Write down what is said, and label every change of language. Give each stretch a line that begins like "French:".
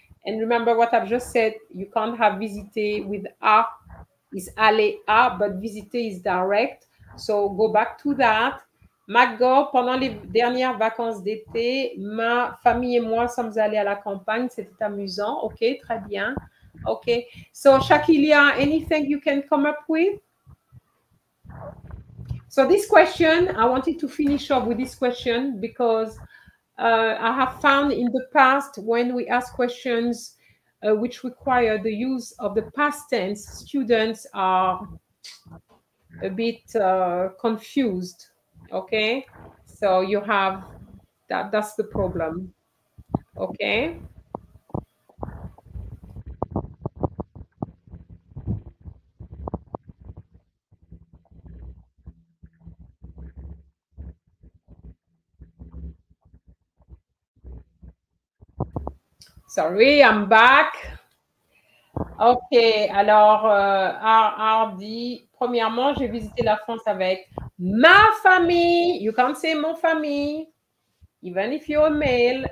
English: And remember what I've just said, you can't have visité with A, is aller à, but visité is direct. So go back to that.
French: McGaw, pendant les dernières vacances d'été, ma famille et moi sommes allés à la campagne. C'était amusant. OK, très bien. OK.
English: So Shakilia, anything you can come up with? So this question, I wanted to finish up with this question because I have found in the past when we ask questions which require the use of the past tense, students are a bit confused, okay? So you have, that's the problem, okay? Sorry, I'm back.
French: OK, alors, Hardy, premièrement, j'ai visité la France avec ma famille.
English: You can't say
French: mon famille,
English: even if you're a male.